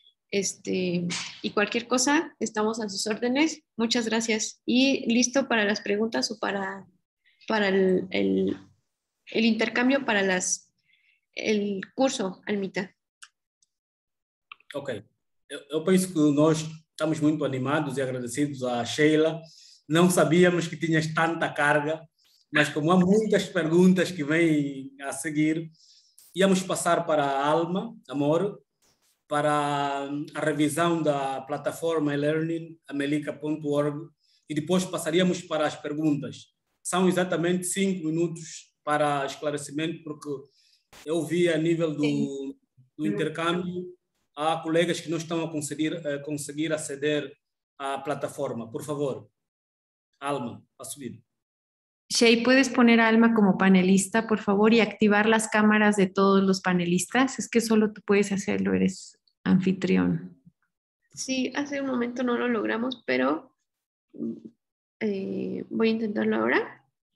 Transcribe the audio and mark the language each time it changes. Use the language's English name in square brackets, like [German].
[Spanish] Y cualquier cosa, estamos a sus órdenes. Muchas gracias. Y listo para las preguntas o para el intercambio para el curso, Almita. Ok. [Portuguese] Eu penso que nós estamos muito animados e agradecidos à Sheila. Não sabíamos que tinhas tanta carga, mas como há muitas perguntas que vêm a seguir, íamos passar para a Alma, Amor, para a revisão da plataforma e-learning amelica.org e depois passaríamos para as perguntas. São exatamente 5 minutos para esclarecimento, porque eu vi a nível do intercâmbio há colegas que não estão a conseguir aceder à plataforma. Por favor, Alma, a subir. [Spanish] Shay, ¿puedes poner a Alma como panelista, por favor, y activar las cámaras de todos los panelistas? Es que solo tú puedes hacerlo, eres anfitrión. Sí, hace un momento no lo logramos, pero voy a intentarlo ahora.